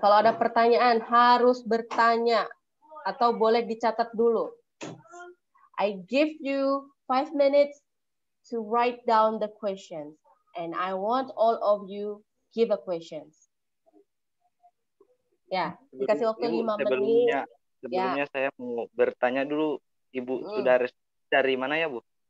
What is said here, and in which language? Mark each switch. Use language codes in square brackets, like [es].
[id] Kalau ada pertanyaan harus bertanya atau boleh dicatat dulu. [en] I give you 5 minutes to write down the questions, and I want all of you give a questions. [id] Ya, dikasih waktu 5 menit. Sebelumnya saya mau bertanya dulu, Ibu sudah dari mana ya, Bu?